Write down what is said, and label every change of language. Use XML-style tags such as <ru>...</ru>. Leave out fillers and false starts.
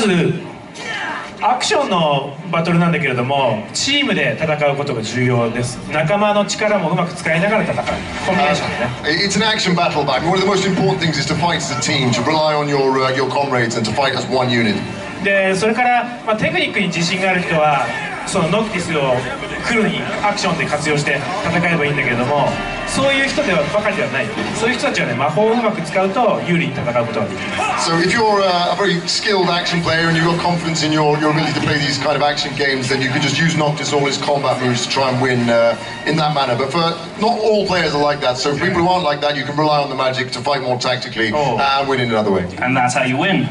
<en>First, it's an action battle, but it's important to fight as a team. You need to use your teammates' strength to fight. Combination. It's an action battle, but one of the most important things is to fight as a team, to rely on your comrades and to fight as one unit.</en> <ja>で、それから、まあ、テクニックに自信がある人はそのノクティスをフルにアクションで活用して戦えばいいんだけれども、そういう人ではばかりではない。そういう人たちはね、魔法をうまく使うと有利に戦うことができる。</ja> <en>So if you're a very skilled action player and you've got confidence in your ability to play these kind of action games, then you can just use Noctis all his combat moves to try and win in that manner. But for not all players are like that, so people who aren't like that, you can rely on the magic to fight more tactically and win in another way. And that's how you win.</en>